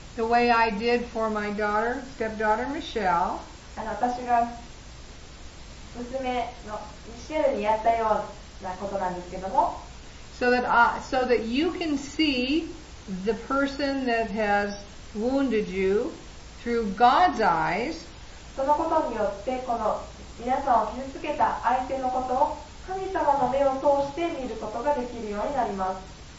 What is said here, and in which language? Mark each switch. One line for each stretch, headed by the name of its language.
English: The way I did for my daughter, stepdaughter Michelle.
Japanese: 私が娘のミシェルにやったようなことなんですけども。
English: So that you can see the person that has wounded you through God's eyes.
Japanese: そのことによってこの皆さんを傷つけた相手のことを神様の目を通して見ることができるようになります。